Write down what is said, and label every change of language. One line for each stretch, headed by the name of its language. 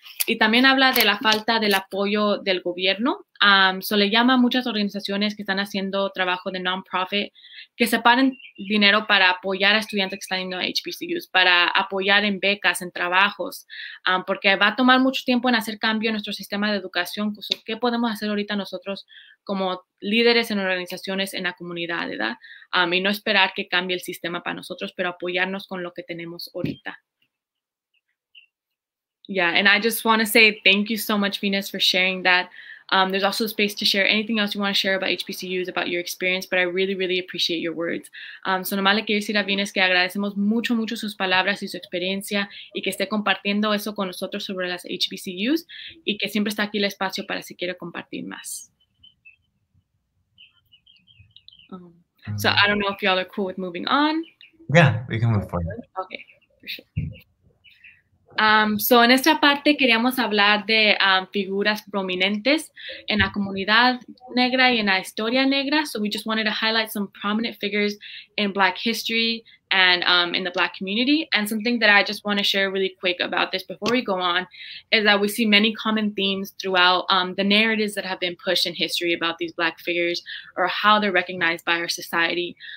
Spanish: Y también habla de la falta del apoyo del gobierno. So le llama a muchas organizaciones que están haciendo trabajo de non-profit que separen dinero para apoyar a estudiantes que están yendo a HBCUs, para apoyar en becas, en trabajos, porque va a tomar mucho tiempo en hacer cambio en nuestro sistema de educación. So, ¿qué podemos hacer ahorita nosotros como líderes en organizaciones en la comunidad, ¿verdad? Y no esperar que cambie el sistema para nosotros, pero apoyarnos con lo que tenemos ahorita.
English: Yeah, and I just want to say thank you so much, Venus, for sharing that. There's also space to share anything else you want to share about HBCUs, about your experience, but I really, really appreciate your words.
Spanish: So, nomás le quiero decir a Venus que agradecemos mucho, mucho sus palabras y su experiencia y que esté compartiendo eso con nosotros sobre las HBCUs y que siempre está aquí el espacio para si quiere compartir más.
English: So, I don't know if y'all are cool with moving on. Yeah, we can move forward. Okay, for sure.
Spanish: So en esta parte queríamos hablar de figuras prominentes en la comunidad negra y en la historia negra.
English: So we just wanted to highlight some prominent figures in Black history and in the Black community. And something that I just want to share really quick about this before we go on is that we see many common themes throughout the narratives that have been pushed in history about these Black figures or how they're recognized by our society.